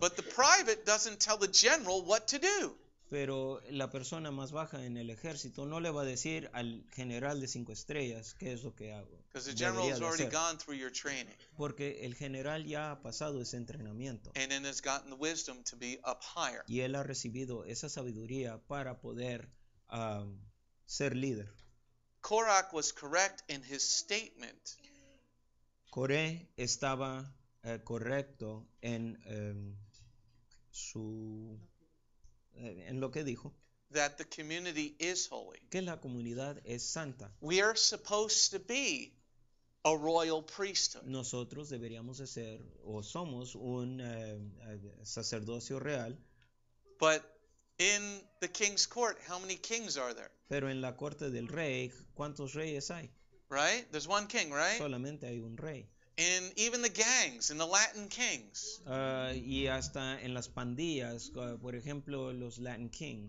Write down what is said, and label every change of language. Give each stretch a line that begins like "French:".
English: But the private doesn't tell the general what to do.
Spanish: Pero la persona más baja en el ejército no le va a decir al general de cinco estrellas qué es lo que hago.
English: Because the general has already gone through your training.
Spanish: Porque el general ya ha pasado ese entrenamiento.
English: And then has gotten the wisdom to be up higher.
Spanish: Y él ha recibido esa sabiduría para poder ser líder.
English: Korach was correct in his statement.
Spanish: Coré estaba correcto en su... en lo que dijo,
English: that the community is holy.
Spanish: Que la comunidad es santa.
English: We are supposed to be a royal priesthood.
Spanish: Nosotros deberíamos de ser o somos un sacerdocio real.
English: But in the king's court, how many kings are there?
Spanish: Pero en la corte del rey, ¿cuántos reyes hay?
English: Right? There's one king, right?
Spanish: Solamente hay un rey.
English: In even the gangs, in the Latin kings.
Spanish: Y hasta en las pandillas, por ejemplo, los Latin kings.